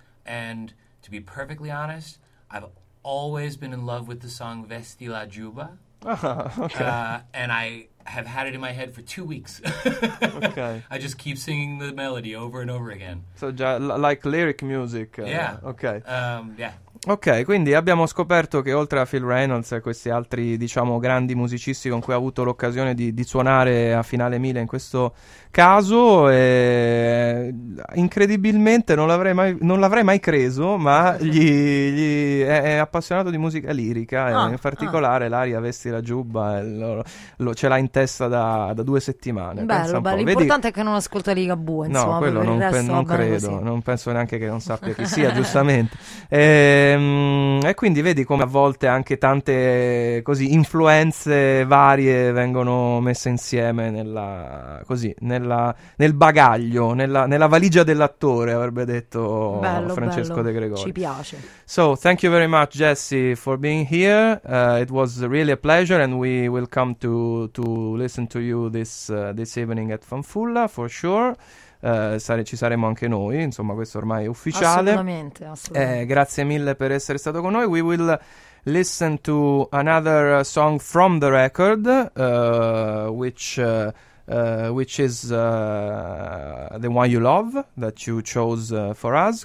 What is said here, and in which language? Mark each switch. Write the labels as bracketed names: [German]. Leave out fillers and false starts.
[English] And to be perfectly honest, I've always been in love with the song Vesti la Giuba. Okay. And I have had it in my head for 2 weeks. Okay. I just keep singing the melody over and over again. So, like lyric music. Yeah. Okay. Yeah. [Italian] Ok, quindi abbiamo scoperto che oltre a Phil Reynolds e questi altri, diciamo, grandi musicisti con cui ha avuto l'occasione di suonare a Finale 1000 in questo caso, incredibilmente non l'avrei mai creso, ma gli è appassionato di musica lirica, in particolare l'aria Vesti la Giubba, ce l'ha in testa da 2 settimane. Bello, pensa un po'. L'importante è che non ascolta Ligabue, insomma. No, quello per non credo, così. Non penso neanche che non sappia chi sia, giustamente. E quindi vedi come a volte anche tante così influenze varie vengono messe insieme nella valigia dell'attore, avrebbe detto Francesco De Gregori. Ci piace. [English] So thank you very much, Jesse, for being here. It was really a pleasure, and we will come to listen to you this evening at Fanfulla for sure. [Italian] Ci saremo anche noi, insomma, questo ormai è ufficiale. Assolutamente. Grazie mille per essere stato con noi. [English] We will listen to another song from the record, which is The One You Love, that you chose for us.